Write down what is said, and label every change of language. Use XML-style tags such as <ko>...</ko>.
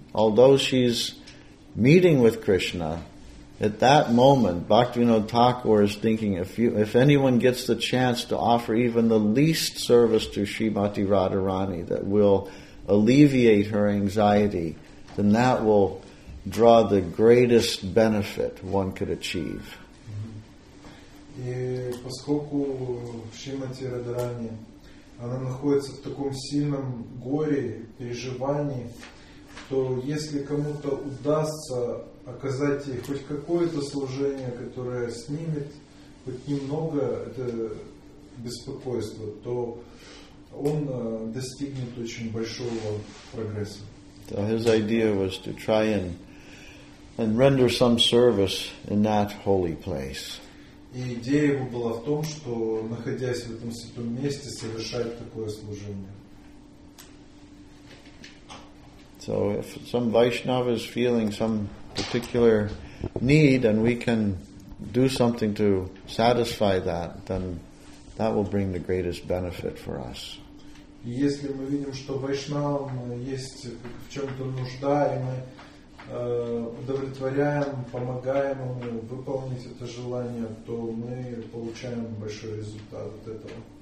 <en>Although she's meeting with Krishna, at that moment, Bhaktivinoda Thakur is thinking, if anyone gets the chance to offer even the least service to Srimati Radharani that will alleviate her anxiety, then that will draw the greatest benefit one could achieve.</en> <ru>И поскольку Шримати Радхарани, она находится в таком сильном горе, переживании, то если кому-то удастся оказать ей хоть какое-то служение, которое снимет хоть немного это беспокойство, то он достигнет очень большого прогресса.</ru> <en>So his idea was to try and render some service in that holy place.</en> <ru>И идея его была в том, что, находясь в этом святом месте, совершать такое служение.</ru> <en>So if some Vaishnava is feeling some particular need and we can do something to satisfy that, then that will bring the greatest benefit for us.</en> <ru>И если мы видим, что Вайшнавам есть в чем-то нужда, и мы удовлетворяем, помогаем ему выполнить это желание, то мы получаем большой результат от этого.</ru>